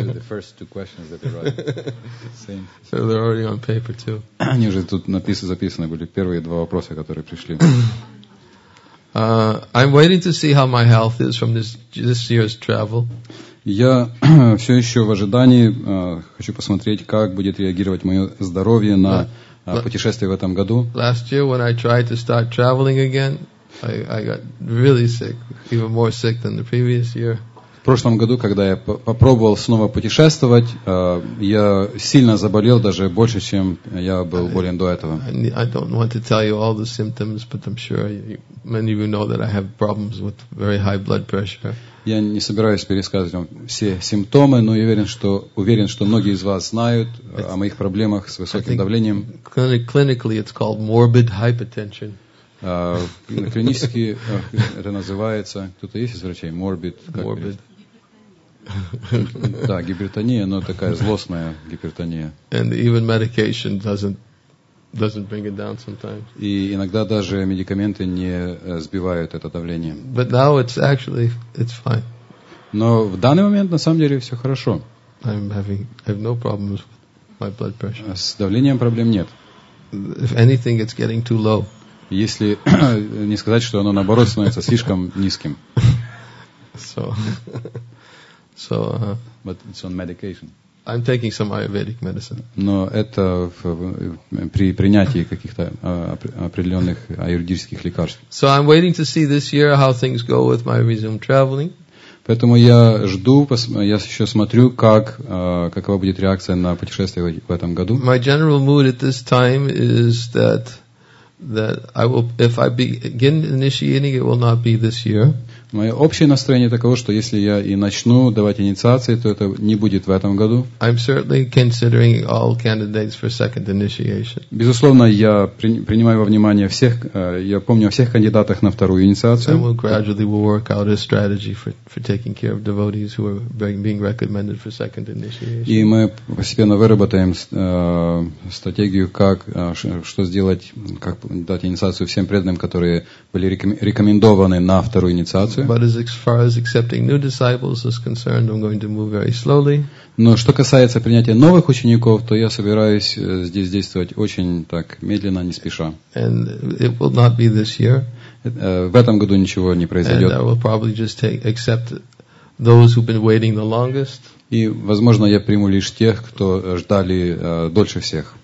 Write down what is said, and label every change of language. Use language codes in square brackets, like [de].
[en] are the first two questions that arrived. Same. So they're already on paper too. [ru] Они уже тут записаны были первые два вопроса, которые пришли. [en] I'm waiting to see how my health is from this year's travel. [ru] Я все еще в ожидании, хочу посмотреть, как будет реагировать мое здоровье на путешествие в этом году. [en] Last year, when I tried to start traveling again, I got really sick, even more sick than the previous year. [ru] В прошлом году, когда я попробовал снова путешествовать, я сильно заболел, даже больше, чем я был болен до этого. [en] I don't want to tell you all the symptoms, but I'm sure many of you know that I have problems with very high blood pressure. [ru] Я не собираюсь пересказывать вам все симптомы, но я уверен, что многие из вас знают о моих проблемах с высоким давлением. [en] Clinically it's called morbid hypertension. [ru] Клинически это называется. Кто-то есть из врачей? Morbid. [en] Morbid. [ru] Да, гипертония, но такая злостная гипертония. [en] And even medication doesn't bring it down sometimes. [ru] И иногда даже медикаменты не сбивают это давление. [en] But now it's fine. [ru] Но в данный момент на самом деле все хорошо. [en] I have no problems with my blood pressure. [ru] С давлением проблем нет. [en] If anything, it's getting too low. [ru] Если не сказать, что оно наоборот становится слишком низким. [en] But it's on medication. I'm taking some Ayurvedic medicine. [ru] Но это при принятии каких-то определенных аюрведических лекарств. [en] So I'm waiting to see this year how things go with my resumed traveling. [ru] Поэтому я жду, я еще смотрю, какова будет реакция на путешествие в этом году. [en] My general mood at this time is that I will, if I begin initiating, it will not be this year. [ru] Мое общее настроение таково, что если я и начну давать инициации, то это не будет в этом году. [en] I'm certainly considering all candidates for second initiation. [ru] Безусловно, я принимаю во внимание всех, я помню о всех кандидатах на вторую инициацию. [en] And we'll gradually work out a strategy for taking care of devotees who are being recommended for second initiation. [ru] И мы постепенно выработаем стратегию, как что сделать, как дать инициацию всем преданным, которые были рекомендованы на вторую инициацию. [en] But as far as accepting new disciples is concerned, I'm going to move very slowly. [ru] Но что касается принятия новых учеников, то я собираюсь здесь действовать очень так медленно, не спеша. [en] And it will not be this year. [ru] В этом году ничего не произойдет. [en] And I will probably just accept those who've been waiting the longest. [ru] И, возможно, я приму лишь тех, кто ждали дольше всех.